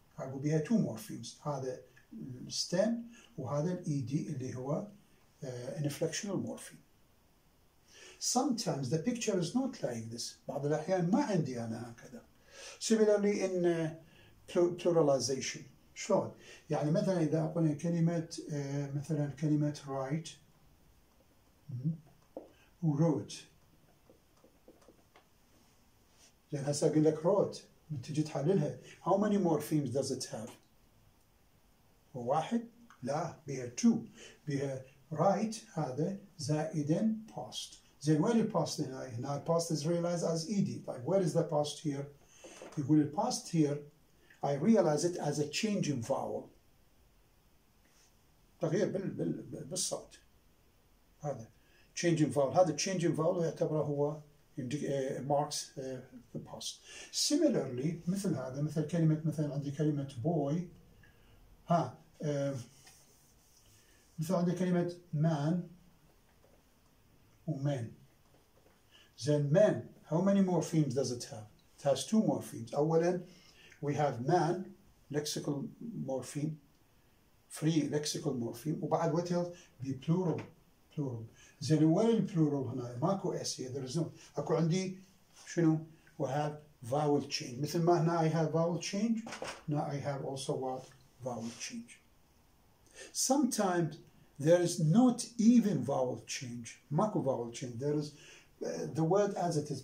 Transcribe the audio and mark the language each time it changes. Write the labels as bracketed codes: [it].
[ar] أقول بها two morphemes. هذا stem وهذا ed اللي هو inflectional morpheme. [en] Sometimes the picture is not like this. [ar] بعض الأحيان ما عندي أنا هكذا. [en] Similarly in pluralization. [ar] شلون؟ يعني مثلا إذا أقول كلمة مثلا كلمة write wrote. زين هسا أقول لك wrote. تجي تحللها. [en] How many morphemes does it have? [ar] واحد؟ لا. بها two. بها right هذا زائد past. [en] Then where is past [ar] هنا؟ هنا [en] past is realized as ed. Like where is the past here? [ar] يقول [en] past here I realize it as a change in vowel. [ar] تغيير بالصوت. [en] هذا change in vowel. هذا change in vowel [ar] يعتبره هو [en] marks the past. Similarly, [ar] مثل هذا, مثل كلمة, مثلا عندي كلمة boy, ها, مثل عندي كلمة man ومن. [en] Then man, how many morphemes does it have? It has two morphemes. [ar] أولا, [en] we have man, lexical morpheme, free lexical morpheme, [ar] وبعد [en] what else? The plural, plural. [ar] زين وين البلورال هنا؟ ماكو اس هي ذير از نو. اكو عندي شنو؟ [en] We have vowel change. مثل ما هنا I have vowel change, now I have also what? Vowel change. Sometimes there is not even vowel change. [ar] ماكو [en] vowel change. There is the word as it is.